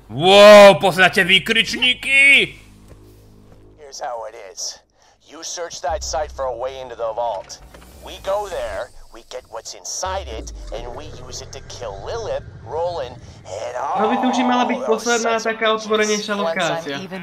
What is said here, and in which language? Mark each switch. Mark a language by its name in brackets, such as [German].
[Slovak] Wow, poznáte výkričníky? [English] Here's how it is. You search that site for a way into the vault. We go there, we get what's inside it, and we use it to kill Lilith, Roland, and all those sons of bitches. [Slovak] Mala byť posledná taká otvorenejšia lokácia.